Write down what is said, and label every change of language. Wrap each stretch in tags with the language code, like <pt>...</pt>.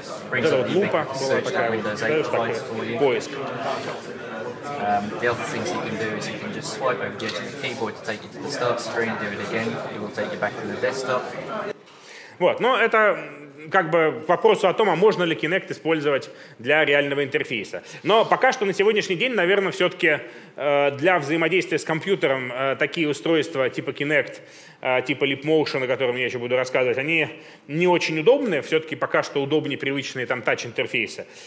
<ru>Вот эта вот лупа была такая, вот, знаешь, такой поиск.</ru> <en>The other things you can do is you can just swipe over the edge of the keyboard to take you to the start screen, do it again, it will take you back to the desktop.</en> <ru>Вот, но это как бы к вопросу о том, а можно ли Kinect использовать для реального интерфейса. Но пока что на сегодняшний день, наверное, все-таки для взаимодействия с компьютером такие устройства типа Kinect, типа Leap Motion, о котором я еще буду рассказывать, они не очень удобны, все-таки пока что удобнее привычные там тач-интерфейсы.</ru>